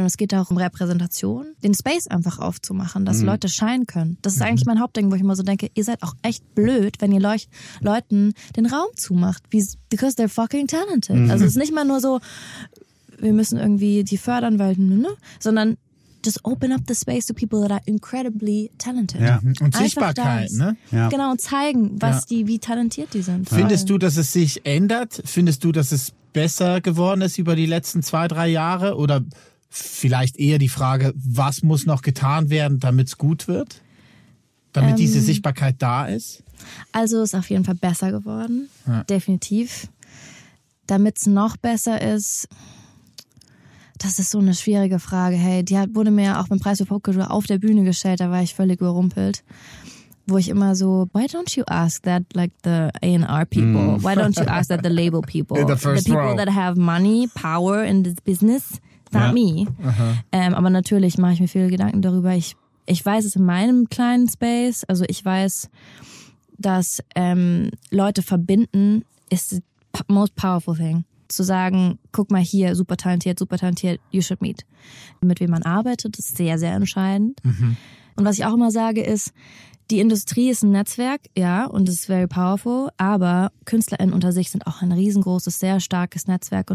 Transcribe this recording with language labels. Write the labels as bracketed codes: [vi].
[de] Und es geht auch um Repräsentation, den Space einfach aufzumachen, dass Leute scheinen können. Das ist eigentlich mein Hauptding, wo ich immer so denke, ihr seid auch echt blöd, wenn ihr Leuten den Raum zumacht. [en] Because they're fucking talented. [de] Also es ist nicht mal nur so, wir müssen irgendwie die fördern, weil, ne? Sondern [en] just open up the space to people that are incredibly talented. [de] Ja. Und Sichtbarkeit, ne? Ja. Genau, und zeigen, was die, wie talentiert die sind. Findest du, dass es sich ändert? Findest du, dass es besser geworden ist über die letzten 2-3 Jahre? Oder vielleicht eher die Frage, was muss noch getan werden, damit es gut wird? Damit diese Sichtbarkeit da ist? Also ist auf jeden Fall besser geworden, definitiv. Damit es noch besser ist, das ist so eine schwierige Frage. Hey, die wurde mir auch beim Preis für Popkultur auf der Bühne gestellt, da war ich völlig überrumpelt. Wo ich immer so, [en] why don't you ask that like the A&R people? Why don't you ask that the label people? In the first the people row. That have money, power in this business, not me. Uh-huh. [de] Aber natürlich mache ich mir viele Gedanken darüber. Ich weiß es in meinem kleinen Space, also ich weiß, dass Leute verbinden, ist [en] the most powerful thing. [de] Zu sagen, guck mal hier, super talentiert, [en] you should meet. [de] Mit wem man arbeitet, ist sehr, sehr entscheidend. Mhm. Und was ich auch immer sage ist, die Industrie ist ein Netzwerk, ja, und es ist [en] very powerful, [de] aber KünstlerInnen unter sich sind auch ein riesengroßes, sehr starkes Netzwerk.